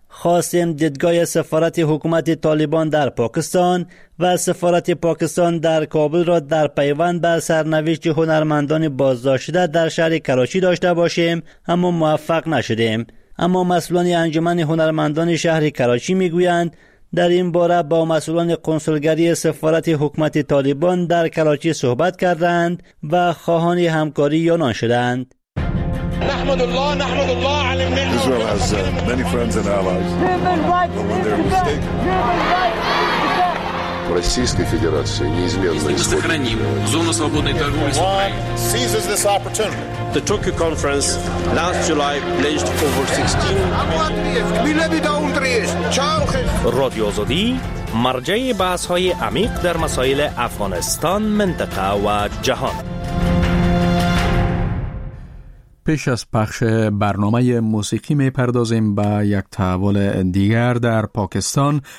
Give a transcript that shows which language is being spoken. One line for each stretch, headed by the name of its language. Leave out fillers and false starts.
Persian: خواستیم دیدگاه سفارت حکومت طالبان در پاکستان و سفارت پاکستان در کابل را در پیوند به سرنوشت هنرمندان بازداشته در شهر کراچی داشته باشیم، اما موفق نشدیم. اما مسئولان انجمن هنرمندان شهر کراچی میگویند در این باره با مسئولان کنسولگری سفارت حکومت طالبان در کراچی صحبت کردند و خواهان همکاری یونان شدند.
English: Israel has many friends and allies.
Russian: Российская Федерация неизменно сохраним зону свободной торговли.
English: Seizes this opportunity. The Tokyo Conference last July pledged over 16.
Persian: Radio Azadi, مرجع بحث‌های عمیق در مسائل افغانستان، منطقه و جهان. پیش از پخش برنامه موسیقی می پردازیم به یک تحول دیگر در پاکستان.